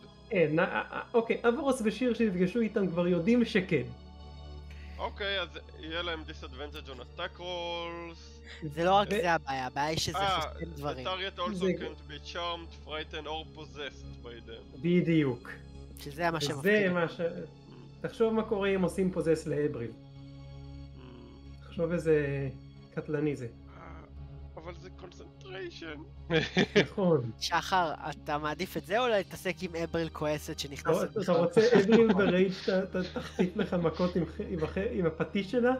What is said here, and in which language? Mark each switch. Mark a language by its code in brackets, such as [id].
[he] אין, אוקיי, אברוס ושיר שנפגשו איתם כבר יודעים שכן. אוקיי, אז יהיה להם [en] disadvantage on attack rolls. [he] זה לא רק זה הבעיה, הבעיה היא שזה חושבים דברים. [en] The target also can't be charmed, frightened or possessed by them. [he] בדיוק. שזה מה שמפתיע. תחשוב מה קורה אם עושים פוזס לאבריל. תחשוב איזה קטלני זה. אבל זה קונסנטריישן. נכון. שחר, אתה מעדיף את זה או להתעסק עם אבריל כועסת שנכנסת? אתה רוצה אבריל ברייג' תחתית לך מכות עם הפטיש שלה?